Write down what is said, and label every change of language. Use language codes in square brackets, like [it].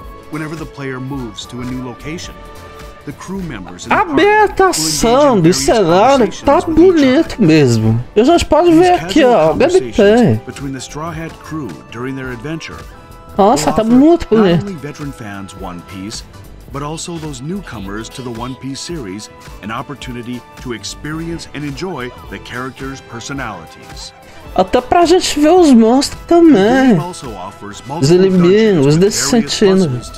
[en] Whenever the player moves to a new location, the crew members [pt] a ambientação do cenário tá bonito mesmo. Eu já posso ver aqui, ó, o gameplay. [en] Between the Straw Hat crew during their adventure. [pt] Nossa, tá muito bonito. [en] Not only veteran fans One Piece, but also those newcomers to the One Piece series an opportunity to experience and enjoy the characters' personalities. [pt] Até pra gente ver os monstros também. Os inimigos desse sentido.